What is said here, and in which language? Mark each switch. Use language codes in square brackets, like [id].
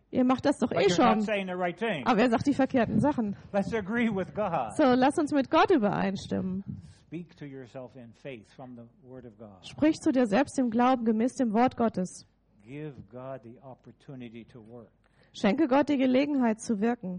[de] Ihr macht das doch eh schon. [en] Right, [de] aber er sagt die verkehrten Sachen. [en] Let's agree with God. [de] So, lass uns mit Gott übereinstimmen. [en] speak to yourself in faith from the word of God. [de] Sprich zu dir selbst im Glauben gemäß dem Wort Gottes. [en] Give God the opportunity to work. [de] Schenke Gott die Gelegenheit zu wirken.